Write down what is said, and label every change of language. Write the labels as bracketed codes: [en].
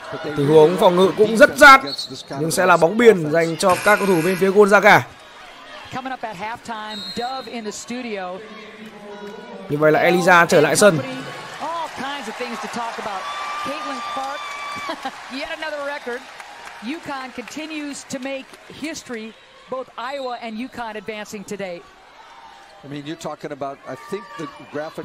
[vi] Tình huống phòng ngự cũng rất rát, nhưng sẽ là bóng biên dành cho các cầu thủ bên phía Gonzaga. [en] Coming up at halftime, Dove in the studio. [vi] Như vậy là Eliza trở lại sân. [en] All kinds of things to talk about. Caitlin Clark, yet another record. UConn continues to make history. Both Iowa and UConn advancing today. I mean, you're talking about. I think the graphic.